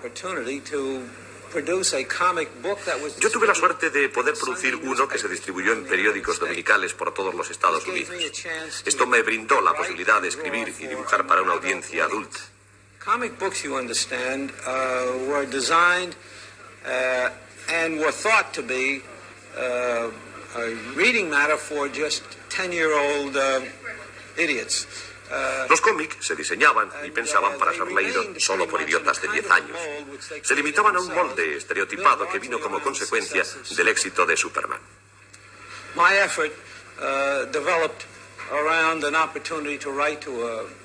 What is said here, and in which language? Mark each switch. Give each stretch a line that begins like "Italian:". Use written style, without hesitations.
Spanish: Yo tuve la suerte de poder producir uno que se distribuyó en periódicos dominicales por todos los Estados Unidos. Esto me brindó la posibilidad de escribir y dibujar para una audiencia adulta.
English: Comic books, you understand, were designed and were thought to be a reading matter for just 10-year-old idiots.
Spanish: Los cómics se diseñaban y pensaban para ser leídos solo por idiotas de 10 años. Se limitaban a un molde estereotipado que vino como consecuencia del éxito de Superman.
English: My effort developed around an opportunity to write to a.